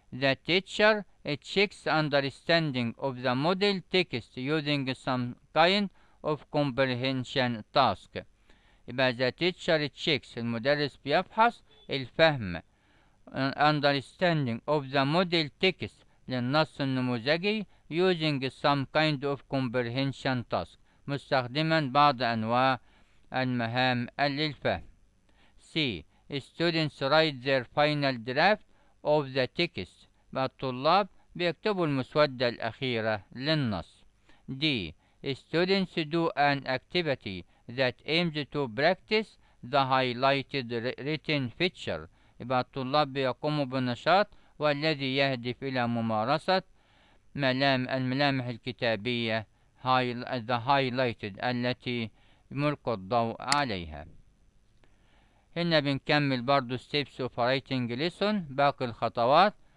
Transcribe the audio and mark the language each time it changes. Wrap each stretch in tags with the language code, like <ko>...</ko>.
<en>The teacher checks understanding of the model text using some kind of comprehension task.</en> <ar>يبقى</ar> <en>the teacher checks</en> <ar>المدرس بيفحص الفهم</ar> <en>understanding of the model text</en> <ar>للنص النموذجي</ar> <en>using some kind of comprehension task</en> <ar>مستخدما بعض أنواع المهام للفهم.</ar> <en>See, students write their final draft of the text.</en> <ar>الطلاب بيكتبوا المسودة الأخيرة للنص. D.</ar> <en>Students do an activity that aims to practice the highlighted written feature.</en> <ar>يبقى الطلاب بيقوموا بالنشاط والذي يهدف إلى ممارسة الملامح الكتابية</ar> <en>the highlighted</en> <ar>التي يملق الضوء عليها. هنا بنكمل برضو</ar> <en>steps of writing lesson</en> <ar>باقي الخطوات.</ar>